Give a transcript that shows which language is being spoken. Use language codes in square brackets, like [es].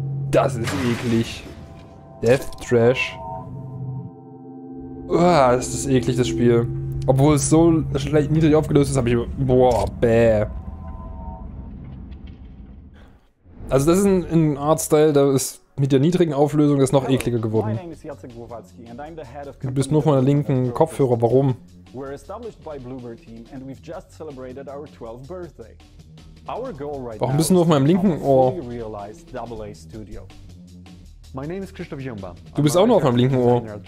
[de] Das ist eklig. Death Trash. Das ist eklig, das Spiel. Obwohl es so schlecht niedrig aufgelöst ist, habe ich... Boah, bäh. Also das ist ein Artstyle, da ist mit der niedrigen Auflösung das noch ekliger geworden. Du bist nur von der linken Kopfhörer, warum? [en] We're established by Bluebird Team and we've just celebrated our 12th birthday. Our goal right now. [de] Warum bist du nur auf meinem linken Ohr? [en] My name is Christoph Jumba. [de] Du bist auch nur auf meinem linken Ohr.